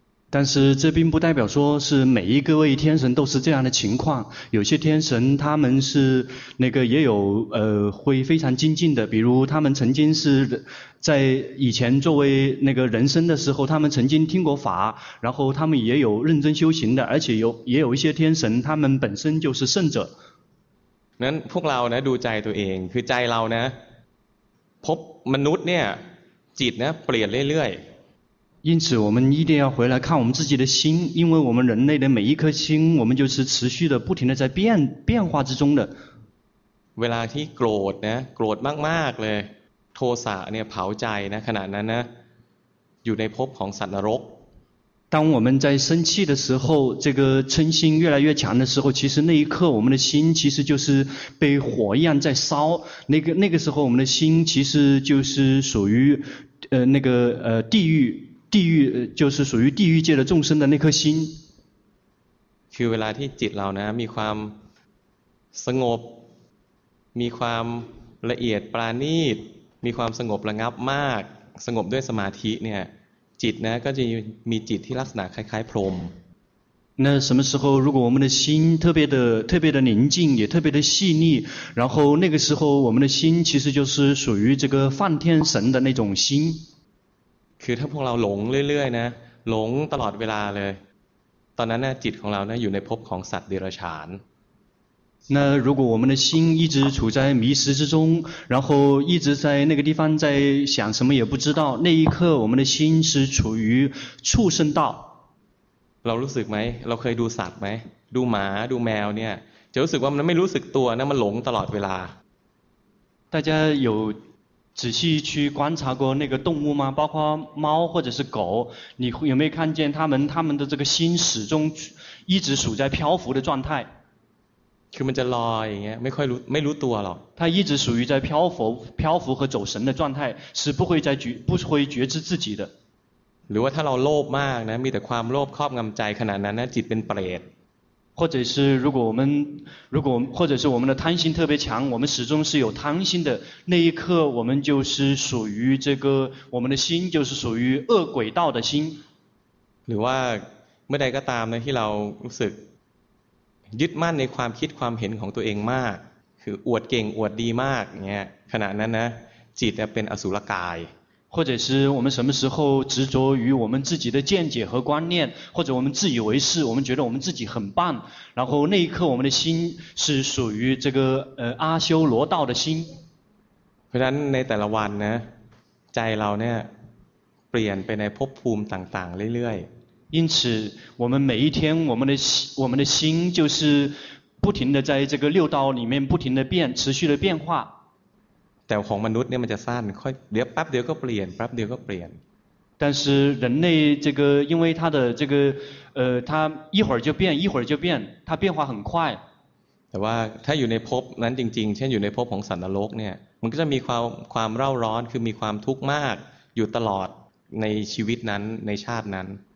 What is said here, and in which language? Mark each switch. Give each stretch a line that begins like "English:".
Chinese: 但是这并不代表说是每一个位天神都是这样的情况，有些天神他们是那个也有会非常精进的，比如他们曾经是在以前作为那个人生的时候，他们曾经听过法，然后他们也有认真修行的，而且也有一些天神他们本身就是圣者。
Thai: นั้นพวกเรานะดูใจตัวเองคือใจเรานะพบมนุษย์เนี่ยจิตนะเปลี่ยนเรื่อยๆ
Chinese: 因此我们一定要回来看我们自己的心因为我们人类的每一颗心我们就是持续的不停的在变化之中的
Thai: เวลาที่โกรธนะโกรธมากๆเลยโทสะเนี่ยเผาใจนะขณะนั้นนะอยู่ในภพของสัตว์นรก
Chinese: 当我们在生气的时候这个嗔心越来越强的时候其实那一刻我们的心其实就是被火一样在烧那个时候我们的心其实就是属于地狱就是属于地狱界的众生的那颗心
Thai: คือเวลาที่จิตเรานะมีความสงบมีความละเอียดปราณีตมีความสงบระงับมากสงบด้วยสมาธิเนี่ยจิตนะก็จะมีจิตที่ลักษณะคล้ายๆพรหม
Chinese: 那什么时候如果我们的心特别的宁静也特别的细腻然后那个时候我们的心其实就是属于这个梵天神的那种心
Thai: คือถ้าพวกเราหลงเรื่อยๆนะหลงตลอดเวลาเลยตอนนั้นนะจิตของเรานะอยู่ในภพของสัตว์เดรัจฉาน
Chinese: 那如果我们的心一直处在迷失之中然后一直在那个地方在想什么也不知道那一刻我们的心是处于畜生道
Thai: เรารู้สึกไหมเราเคยดูสัตว์ไหมดูหมาดูแมวเนี่ยจะรู้สึกว่ามันไม่รู้สึกตัวนะมันหลงตลอดเวลา
Chinese: 大家有仔细去观察过那个动物吗？包括猫或者是狗，你有没有看见他们的这个心始终一直处在漂浮的状态？
Thai: คือมันจะลอยอย่างเงี้ยไม่รู้ตัวหรอก。
Chinese: 它一直属于在漂浮和走神的状态，是不会觉知自己的。
Thai: หรือว่าถ้าเราโลภมากนะมีแต่ความโลภครอบงำใจขนาดนั้นนะจิตเป็นเปรต。
Chinese: 或者是我们的贪心特别强，我们始终是有贪心的。那一刻，我们就是属于这个，我们的心就是属于恶鬼道的心。
Thai: หรือว่าเมื่อใดก็ตามนะที่เรารู้สึกยึดมั่นในความคิดความเห็นของตัวเองมากคืออวดเก่งอวดดีมากเนี่ยขณะนั้นนะจิตเป็นอสุรกาย
Chinese: 或者是我们什么时候执着于我们自己的见解和观念或者我们自以为是我们觉得我们自己很棒然后那一刻我们的心是属于这个阿修罗道的心
Thai: เพราะฉะนั้นในแต่ละวันนะใจเราเนี่ยเปลี่ยนไปในภพภูมิต่างๆเรื่อย
Chinese: ๆ因此我们每一天我们的心就是不停的在这个六道里面不停的变持续的变化
Thai: แต่ของมนุษย์เนี่ยมันจะสั้นค่อยเดี๋ยวแป๊บเดียวก็เปลี่ยนแป๊บเดียวก็เปลี่ยน
Chinese: 但是人类这个因为他的这个他一会儿就变一会儿就变他变化很快
Thai: แต่ว่าถ้าอยู่ในภพนั้นจริงๆเช่นอยู่ในภพของสัตว์นรกเนี่ยมันก็จะมีความเร่าร้อนคือมีความทุกข์มากอยู่ตลอดในชีวิตนั้นในชาตินั้น